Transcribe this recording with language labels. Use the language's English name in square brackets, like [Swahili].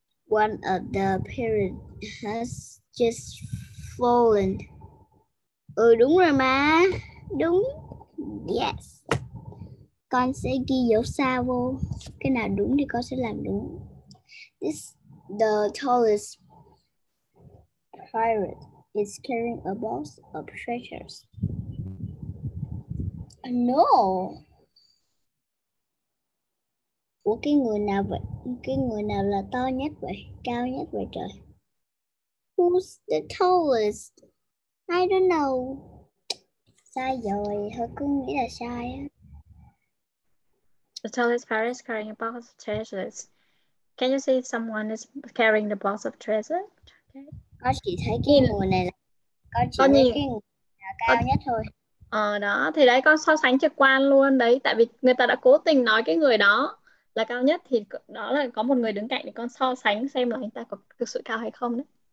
[English] One of the pirates has just fallen. [Vietnamese] Ừ đúng rồi mà. Đúng. [English] Yes. [Vietnamese] Con sẽ ghi dấu sao vô. Cái nào đúng thì con sẽ làm đúng. [English] This the tallest pirate is carrying a box of treasures. No. [Vietnamese] Ủa cái người nào vậy? Cái người nào là to nhất vậy? Cao nhất vậy trời? [English] Who's the tallest? I don't know. [Vietnamese] Sai rồi, hơi cứ nghĩ là sai á. [English] The tallest pirate is carrying a box of treasures. Can you see if someone is carrying the box of treasure? Okay. [Vietnamese] Con chỉ thấy cái người này là con chỉ thấy cái người là cao nhất thôi. Đó, thì đấy con so sánh trực quan luôn đấy. Tại vì người ta đã cố tình nói cái người đó là cao nhất, thì đó là có một người đứng cạnh để con so sánh xem là anh ta có thực sự cao hay không đấy.